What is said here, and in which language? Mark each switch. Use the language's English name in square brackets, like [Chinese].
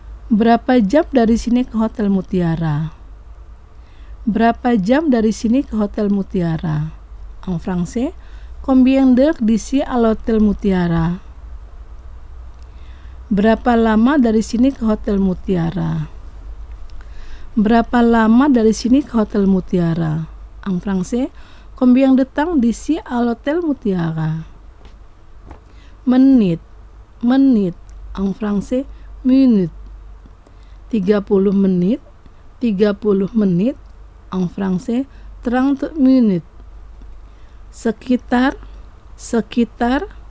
[Indonesian] Berapa jam dari sini ke Hotel Mutiara? Berapa jam dari sini ke Hotel Mutiara? [French] En français, combien d'heures d'ici à l'Hotel Mutiara? [Indonesian] Berapa lama dari sini ke Hotel Mutiara? Berapa lama dari sini ke Hotel Mutiara? [French] En français, combien de temps d'ici à l'Hotel Mutiara? [Indonesian] Menit. Menit. [French] En français, minute. [Indonesian] 30 menit. 30 menit. [French] En français, 30 minutes. [Indonesian] Sekitar. Sekitar.